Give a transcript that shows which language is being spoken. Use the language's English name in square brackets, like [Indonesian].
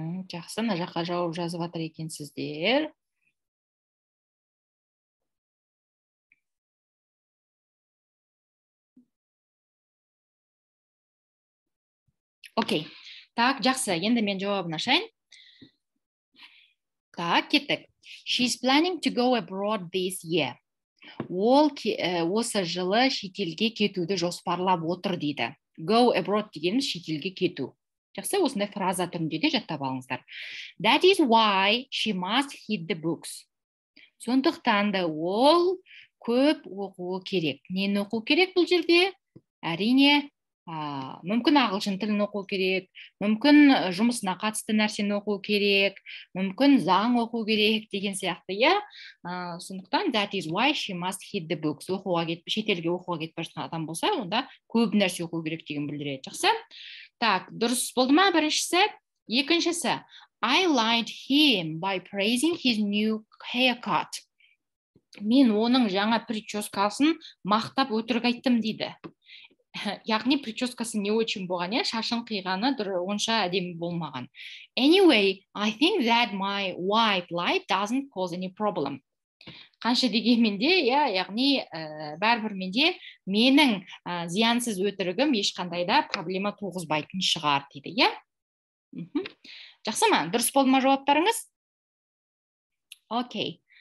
[Kazakh] Жақсы, мына жаққа жауап жазып атыр екенсіздер. Окей. Так, жақсы, енді мен жауабын ашайын. Так, кеттік. [English] She's planning to go abroad this year. [Kazakh] ол осы жылы шетелге кетуді жоспарлап отыр дейді. Go abroad дегеніміз шетелге кету. Жақсы, осындай фраза түрінде де жаттап алыңыздар. [English] That is why she must hit the books. [Kazakh] Сондықтан да ол көп оқуы керек. Нені оқу керек бұл жерде? Әрине, мүмкін ағылшын тілін оқу керек, мүмкін жұмысына қатысты нәрсені оқу керек, мүмкін заң оқу керек деген сияқты, иә? Сондықтан [English] that is why she must hit the books. [Kazakh] Оқуға кетпей, шетелге оқуға кетпей жатқан адам болса, онда көп нәрсе оқу керек деген білдіреді. Жақсы? Так, дұрыс болды ма біріншісі? Екіншісі, [English] I liked him by praising his new haircut. [Kazakh] Мен оның жаңа прическасын мақтап өтірік айттым дейді. Яғни прическасы не өчін болған, шашын қиғаны онша әдемі болмаған. [English] Anyway, I think that my white light doesn't cause any problem. [Kazakh] Қанша дегенменде, яғни бәрбір менде менің зиянсыз өтірігім ешқандай да проблема туғызбайтын шығар дейді. Жақсы ма? Дұрыс болма жауаптарыңыз? Окей.